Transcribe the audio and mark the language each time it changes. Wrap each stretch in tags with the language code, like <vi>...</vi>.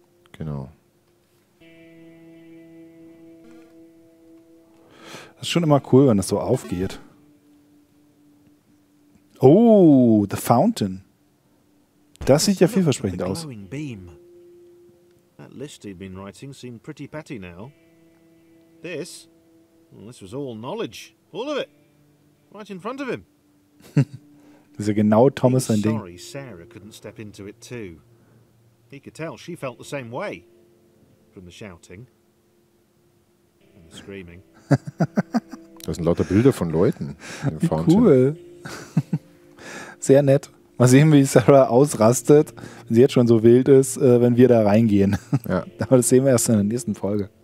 <de>Genau. Das ist schon immer cool, wenn das so aufgeht. Oh, The Fountain. Das sieht ja vielversprechend aus.</de> <en>That list he'd been writing seemed pretty petty now. This? Well, this was all knowledge. All of it. Right in front of him.</en> <de>Das ist ja genau Thomas sein Ding.</de> <en>Sorry, Sarah couldn't step into it too. He could tell she felt the same way. From the shouting. And the screaming.</en> <de>Das sind lauter Bilder von Leuten. Wie cool. Sehr nett. Mal sehen, wie Sarah ausrastet, wenn sie jetzt schon so wild ist, wenn wir da reingehen. Ja. Aber das sehen wir erst in der nächsten Folge.</de>